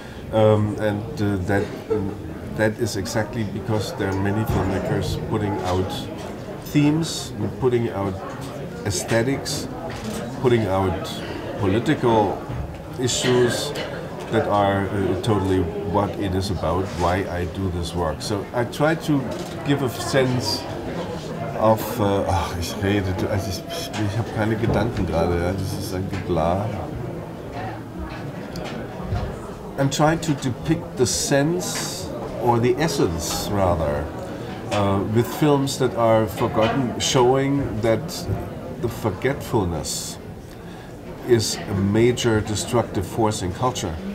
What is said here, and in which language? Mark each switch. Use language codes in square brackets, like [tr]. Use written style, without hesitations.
[en] That is exactly because there are many filmmakers putting out themes, putting out aesthetics, putting out political issues that are totally what it is about, why I do this work. So I try to give a sense of, [de] ich habe keine Gedanken gerade, das ist ein Geblah. [en] I'm trying to depict the sense, or the essence rather, with films that are forgotten, showing that the forgetfulness is a major destructive force in culture.